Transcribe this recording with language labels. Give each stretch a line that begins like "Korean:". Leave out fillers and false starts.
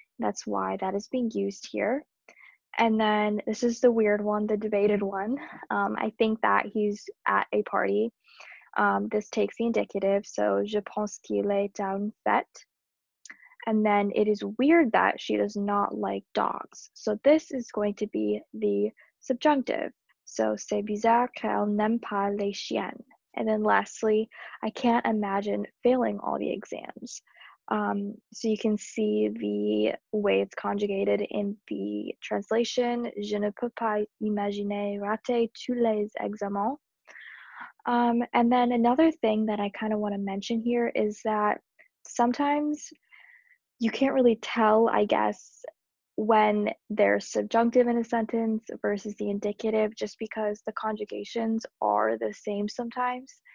English: That's why that is being used here. And then this is the weird one, the debated one. I think that he's at a party. This takes the indicative, so je pense qu'il est à une fête. And then it is weird that she does not like dogs. So this is going to be the subjunctive.
French: So c'est bizarre qu'elle n'aime pas les chiens.
English: And then lastly, I can't imagine failing all the exams. So you can see the way it's conjugated in the translation.
French: Je ne peux pas imaginer rater tous les examens.
English: And then another thing that I kind of want to mention here is that sometimes you can't really tell, I guess, when there's subjunctive in a sentence versus the indicative, just because the conjugations are the same sometimes.